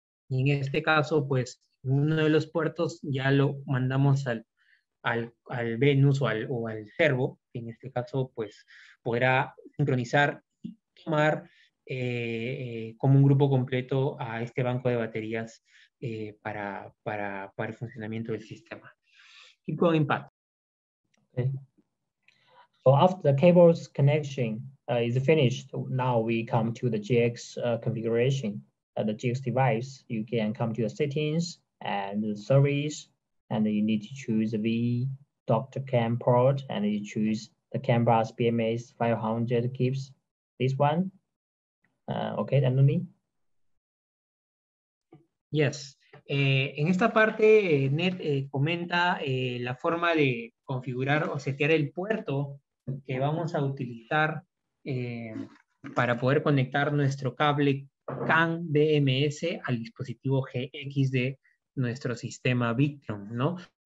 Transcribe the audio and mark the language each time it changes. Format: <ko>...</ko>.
<es>Y en este caso, pues, uno de los puertos ya lo mandamos al Venus o al Servo, que en este caso, pues, podrá sincronizar y tomar como un grupo completo a este banco de baterías para el funcionamiento del sistema. Y con impacto.</es> <en>Okay. So after the cable's connection is finished, now we come to the GX configuration. The GX device, you can come to the settings and the service, and you need to choose the Dr. Cam port, and you choose the CAN bus BMS 500 keeps this one. Okay, Anthony. Yes.</en> <es>En esta parte, Ned comenta la forma de configurar o setear el puerto que vamos a utilizar para poder conectar nuestro cable CAN BMS al dispositivo GX de nuestro sistema Victron, ¿no?</es>